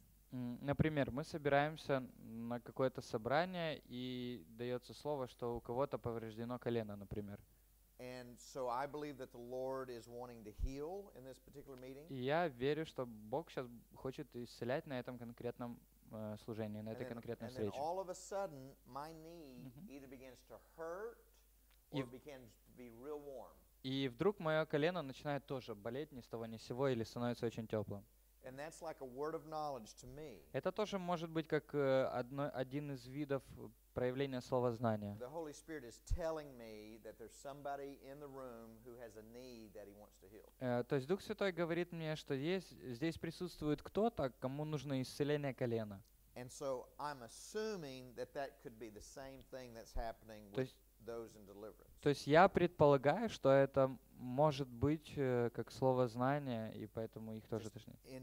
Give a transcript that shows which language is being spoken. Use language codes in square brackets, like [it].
[ru] Например, мы собираемся на какое-то собрание, и дается слово, что у кого-то повреждено колено, например. [en] And so I believe that the Lord is wanting to heal in this particular meeting. [ru] И я верю, что Бог сейчас хочет исцелять на этом конкретном служении, на этой конкретной встрече. [en] And then all of a sudden, my knee either begins to hurt or begins to be real warm. [ru] И вдруг мое колено начинает тоже болеть ни с того ни с сего или становится очень теплым. [en] And that's like a word of knowledge to me. [ru] Это тоже может быть как один из видов проявления слова знания. [en] The Holy Spirit is telling me that there's somebody in the room who has a knee that he wants to heal. [ru] То есть Дух Святой говорит мне, что здесь присутствует кто-то, кому нужно исцеление колена. [en] And so I'm assuming that could be the same thing that's happening with those in deliverance. [ru] То есть я предполагаю, что это может быть как слово знания, и поэтому их тоже тошнит.